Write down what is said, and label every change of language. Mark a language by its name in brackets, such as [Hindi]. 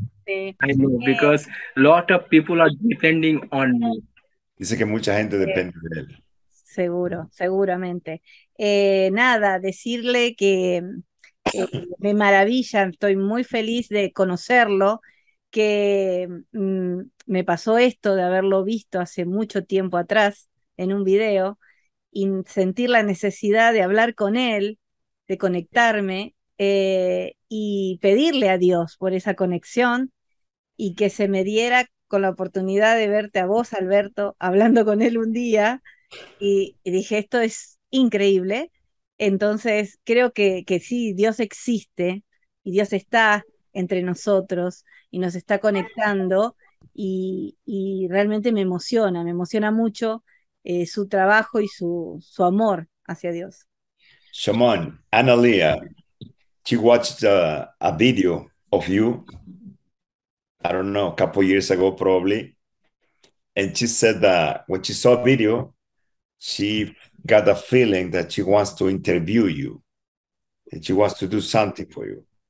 [English] Yeah. I know, because a lot of people are depending on me. [Spanish] Dice que mucha gente depende de él. Seguro, seguramente. Nada, decirle que me maravilla, estoy muy feliz de conocerlo, que me pasó esto de haberlo visto hace mucho tiempo atrás en un video y sentir la necesidad de hablar con él, de conectarme y pedirle a Dios por esa conexión y que se me diera con la oportunidad de verte a vos, Alberto, hablando con él un día y dije, esto es increíble. Entonces, creo que sí, Dios existe y Dios está entre nosotros y nos está conectando y realmente me emociona mucho su trabajo y su amor hacia Dios. [English] Shamon, Analia, she watched a video of you, I don't know, a couple years ago probably, and she said that when she saw a video, she got a feeling that she wants to interview you and she wants to do something for you.